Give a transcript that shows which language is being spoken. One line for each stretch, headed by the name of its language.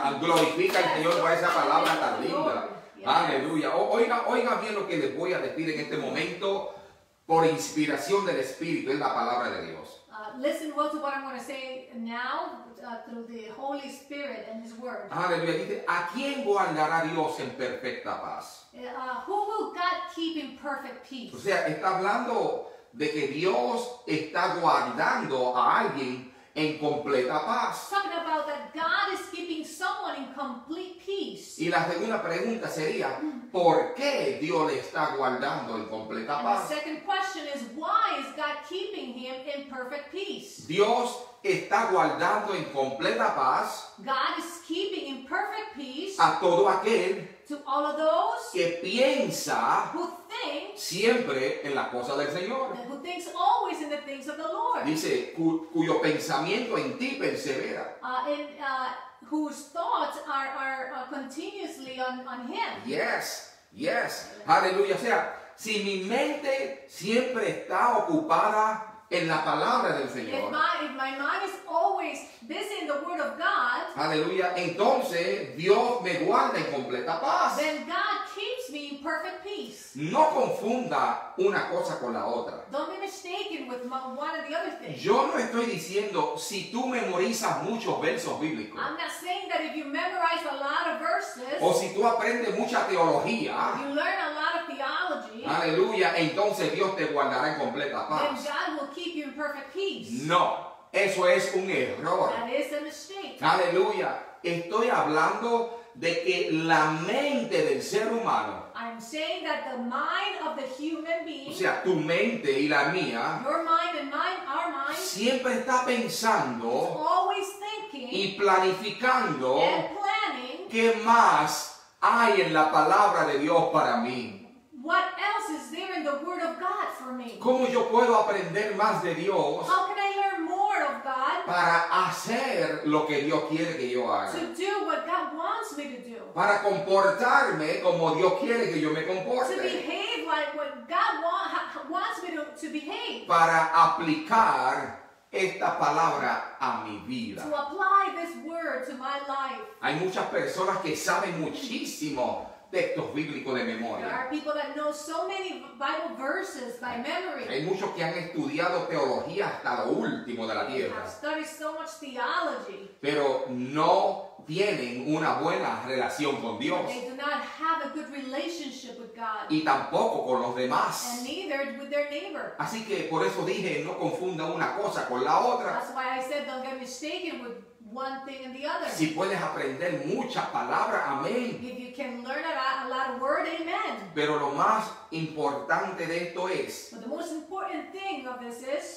Spanish: Glorifica al Señor por esa palabra tan linda.
English: Yes.
Spanish: Aleluya. Oiga bien lo que les voy a decir en este momento. Por inspiración del Espíritu. Es la palabra de Dios.
English: Listen well to what I'm going to say now through the Holy Spirit and His Word.
Spanish: Aleluya. Dice, ¿a quién guardará Dios en perfecta paz?
English: Who will God keep in perfect peace?
Spanish: O sea, está hablando de que Dios está guardando a alguien en completa paz.
English: Talking about that God is keeping someone in complete peace.
Spanish: Y la segunda pregunta sería, ¿por qué Dios le está guardando en completa
English: and
Spanish: paz?
English: The second question is, why is God keeping him in perfect peace?
Spanish: Dios está guardando en completa paz.
English: God is keeping in perfect peace.
Spanish: A todo aquel.
English: To all of those.
Spanish: Que piensa.
English: Who think.
Spanish: Siempre en las cosas del Señor.
English: And who thinks always in the things of the Lord.
Spanish: Dice, cuyo pensamiento en ti persevera.
English: Whose thoughts are continuously on him. Yes, yes.
Spanish: Aleluya. O sea, si mi mente siempre está ocupada en la palabra del Señor.
English: If my mind is always busy in the word of God.
Spanish: Aleluya. Entonces, Dios me guarda en completa paz.
English: Then God keeps me in perfect peace.
Spanish: No confunda una cosa con la otra.
English: Don't be mistaken with one of the other things.
Spanish: Yo no estoy diciendo si tú memorizas muchos versos bíblicos.
English: I'm not saying that if you memorize a lot of verses.
Spanish: O si tú aprendes mucha teología.
English: You learn a lot of theology.
Spanish: Aleluya. Entonces Dios te guardará en completa paz.
English: Then God will keep you in perfect peace.
Spanish: No. Eso es un error.
English: That is a mistake.
Spanish: Aleluya. Estoy hablando de que la mente del ser humano.
English: I'm saying that the mind of the human being.
Spanish: O sea, tu mente y la mía.
English: Your mind and mine, our mind.
Spanish: Siempre está pensando.
English: Is always thinking.
Spanish: Y planificando.
English: And planning.
Spanish: ¿Qué más hay en la palabra de Dios para mí?
English: What else is there in the word of God for me?
Spanish: ¿Cómo yo puedo aprender más de Dios?
English: How can I learn more of God?
Spanish: Para hacer lo que Dios quiere que yo haga.
English: To do what God wants me to do.
Spanish: Para comportarme como Dios quiere que yo me comporte.
English: To behave like what God wants me to behave.
Spanish: Para aplicar esta palabra a mi vida.
English: To apply this word to my life.
Spanish: Hay muchas personas que saben muchísimo textos bíblicos de memoria.
English: There are people that know so many Bible verses by memory.
Spanish: Hay muchos que han estudiado teología hasta lo último de la tierra.
English: They have studied so much theology.
Spanish: Pero no tienen una buena relación con Dios.
English: They do not have a good relationship with God.
Spanish: Y tampoco con los demás.
English: And neither with their neighbor.
Spanish: Así que por eso dije, no confunda una cosa con la otra.
English: That's why I said, don't get mistaken with one thing and the other.
Spanish: Si puedes aprender muchas palabras, amén.
English: If you can learn a lot of word, amen.
Spanish: Pero lo más importante de esto es.
English: But the most important thing of this is.